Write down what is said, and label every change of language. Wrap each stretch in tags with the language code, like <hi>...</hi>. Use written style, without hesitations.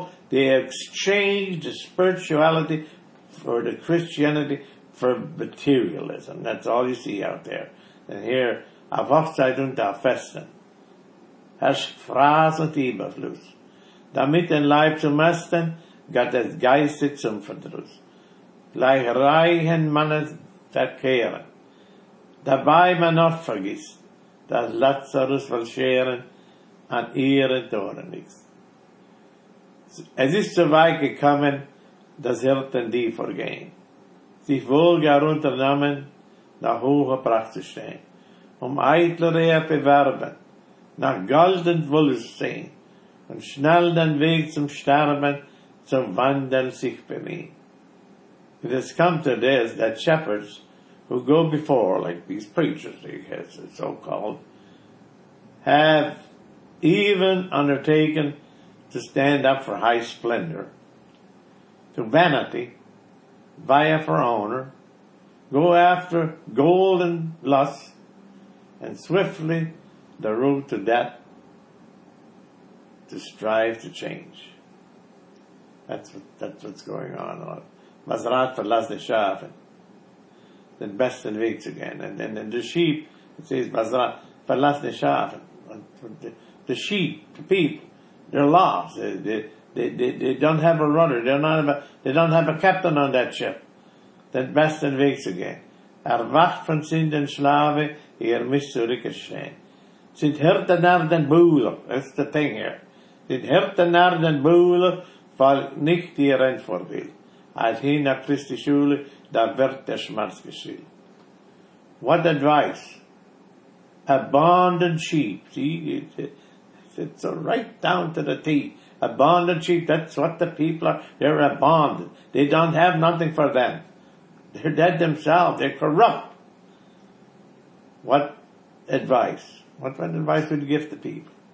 <en>They exchanged the spirituality for the Christianity for materialism. That's all you see out there. And here,</en> <de>auf Hochzeit und auf Festen, hast Fraß und Überfluss, damit in Leib zu mästen, Gott des Geistes zum Verdruss, gleich reichen Mannes verkehren, dabei man oft vergisst, dass Lazarus will scheren, an ihren Toren nichts. Es ist so weit gekommen, dass Hirten die vergehen, sich wohl gar unternommen, nach hoher Pracht zu stehen, eitler Ehe bewerben, nach golden Wulst sehen, und schnell den Weg zum Sterben, zum Wandeln sich bemühen.</de> <en>It has come to this that shepherds who go before, like these preachers, I guess it's so called, have even undertaken to stand up for high splendor, to vanity, vie for honor, go after golden lust, and swiftly the road to death to strive to change. That's what's going on.</en> <de>Was rat verlass die Schafe, den besten Weg zu gehen.</de> <en>And then the sheep, it says,</en> <de>was rat verlass die Schafe.</de> <en>The sheep, the people, they're lost. They don't have a runner. They don't have a captain on that ship.</en> <de>Den besten Weg zu gehen. Erwacht von Sünden Schlafe, ihr müsst zurückgeschehen. Sind Hirten den Buhler.</de> <en>That's the thing here.</en> <de>Sind Hirten den Buhler, fall nicht ihr ein Vorbild. Als hin nach Christi Schule, da wird der Schmerz geschrieben.</de> <en>What advice? Abandoned sheep. See, it's right down to the teeth. Abandoned sheep, that's what the people are. They're abandoned. They don't have nothing for them. They're dead themselves. They're corrupt. What advice? What advice would you give the people?</en>